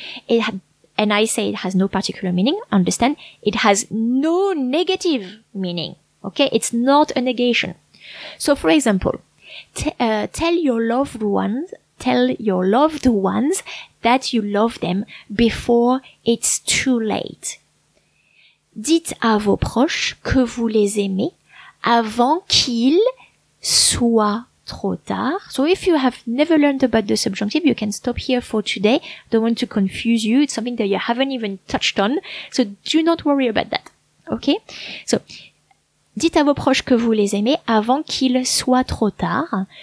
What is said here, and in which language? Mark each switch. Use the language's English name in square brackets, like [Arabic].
[English] And I say it has no particular meaning, understand? It has no negative meaning, okay? It's not a negation. So, for example, tell your loved ones that you love them before it's too late. [French] Dites à vos proches que vous les aimez avant qu'il soit trop tard. [English] So if you have never learned about the subjunctive, you can stop here for today. Don't want to confuse you. It's something that you haven't even touched on. So do not worry about that. Okay? [French] So, dites à vos proches que vous les aimez avant qu'il soit trop tard.